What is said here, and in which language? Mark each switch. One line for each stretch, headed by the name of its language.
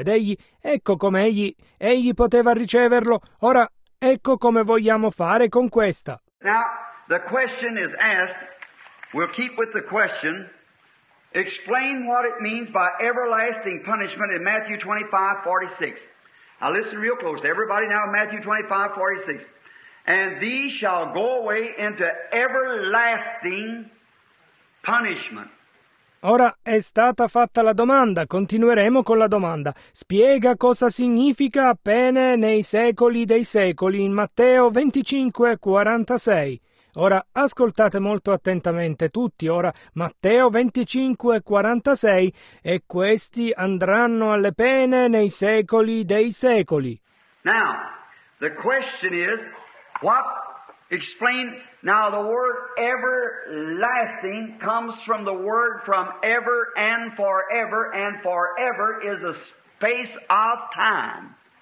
Italian: Ed egli, ecco come egli poteva riceverlo. Ora, ecco come vogliamo fare con questa.
English: Now, the question is asked, we'll keep with the question, explain what it means by everlasting punishment in Matthew 25, 46. Now listen real close, everybody now, Matthew 25, 46. And these shall go away into everlasting punishment.
Italian: Ora è stata fatta la domanda, continueremo con la domanda. Spiega cosa significa pene nei secoli dei secoli in Matteo 25, 46. Ora, ascoltate molto attentamente tutti, ora, Matteo 25, 46, e questi andranno alle pene nei secoli dei secoli.
English: Now, the question is, what, explain, now the word everlasting comes from the word from ever and forever is a space of time.